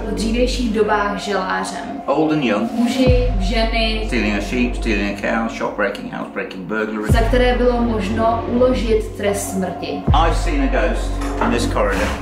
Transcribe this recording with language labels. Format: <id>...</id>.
<cs>V dřívějších dobách želářem.</cs> <en>Old and young.</en> <cs>Muži, ženy.</cs> <en>Stealing a sheep, stealing a cow, shop breaking, house breaking, burglary.</en> <cs>Za které bylo možno uložit trest smrti.</cs> <en>I've seen a ghost in this corridor.</en>